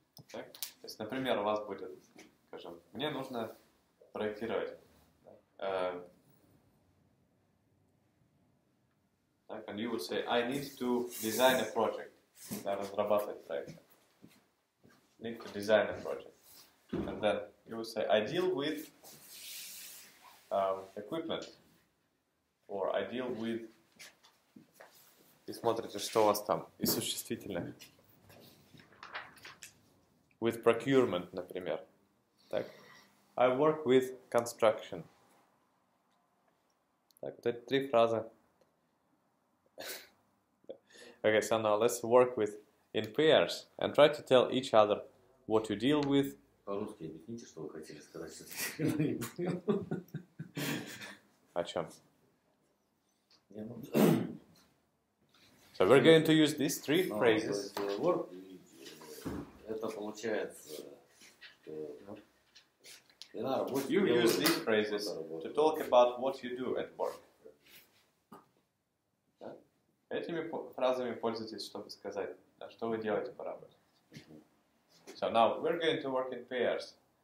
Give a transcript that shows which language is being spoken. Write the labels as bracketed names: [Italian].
[Russian] Так, то есть, например, у вас будет, скажем, мне нужно проектировать. Так, [English] and you would say, I need to design a project. [Russian] Да, разрабатывать проект. [English] Need to design a project. And then you would say, I deal with equipment. Or I deal with... [Russian] И смотрите, что у вас там. И существительное. [English] With procurement, [Russian] например. Так. [English] I work with construction. [Russian] Так, вот эти три фразы. [English] Okay, so now let's work with in pairs and try to tell each other what you deal with. [Russian] По-русски объясните, что вы хотели сказать, что-то я не понял. О чем? [English] So we're going to use these three phrases. [Russian] Work, это получается... [English] You use these phrases to talk about what you do at work. [Russian] Этими фразами пользуйтесь, чтобы сказать, да, что вы делаете по работе. [English] So now we're going to work in pairs.